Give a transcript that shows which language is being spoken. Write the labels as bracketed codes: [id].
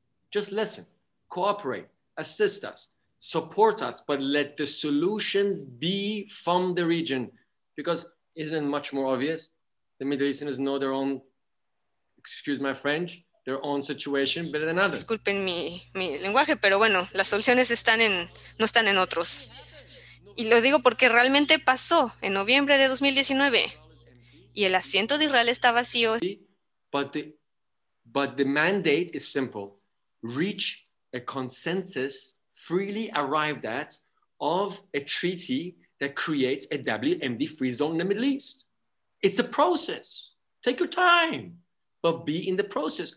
[en] Just listen, cooperate, assist us, support us, but let the solutions be from the region. Because isn't it much more obvious? The Middle Easterners know their own, excuse my French, their own situation better than others. [es] Disculpen mi lenguaje, pero bueno, las soluciones no están en otros. Y lo digo porque realmente pasó en noviembre de 2019. Y el asiento de Israel está vacío. [en] But the mandate is simple. Reach a consensus freely arrived at of a treaty that creates a WMD free zone in the Middle East. It's a process. Take your time, but be in the process.